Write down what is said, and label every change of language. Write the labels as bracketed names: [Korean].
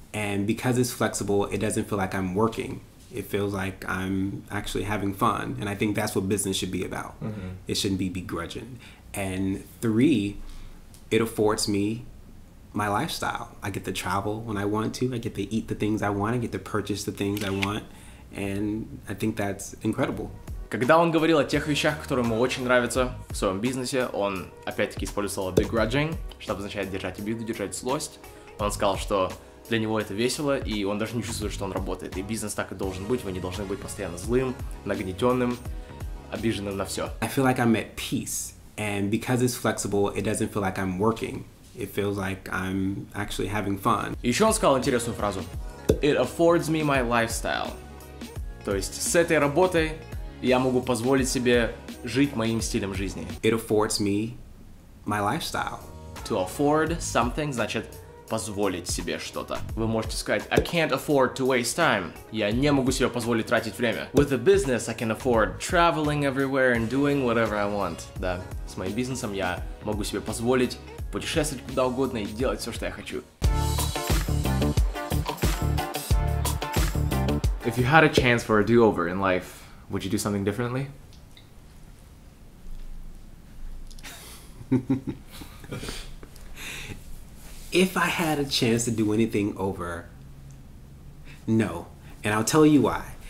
[English] And because it's flexible, it doesn't feel like I'm working. It feels like I'm actually having fun. And I think that's what business should be about. Mm-hmm. It shouldn't be begrudging. And three, it affords me my lifestyle. I get to travel when I want to. I get to eat the things I want. I get to purchase the things I want. And I think that's incredible. [Russian] Когда он говорил о тех вещах, которые ему очень нравятся в своем бизнесе, он опять-таки использовал слово begrudging, что обозначает держать обиду, держать злость. Он сказал, что для него это весело, и он даже не чувствует, что он работает. И бизнес так и должен быть. Вы не должны быть постоянно злым, нагнетенным, обиженным на все. [English] I feel like I'm at peace. And because it's flexible, it doesn't feel like I'm working. It feels like I'm actually having fun. [Russian] И еще он сказал интересную фразу. [English] It affords me my lifestyle. [Russian] То есть с этой работой я могу позволить себе жить моим стилем жизни. [English] It affords me my lifestyle. To afford something [Russian] значит позволить себе что-то. Вы можете сказать, [English] I can't afford to waste time. [Russian] Я не могу себе позволить тратить время. [English] With a business, I can afford traveling everywhere and doing whatever I want. [Russian] Да, с моим бизнесом я могу себе позволить путешествовать куда угодно и делать все, что я хочу. [English] If you had a chance for a do-over in life, would you do something differently? If I had a chance to do anything over, no. And I'll tell you why.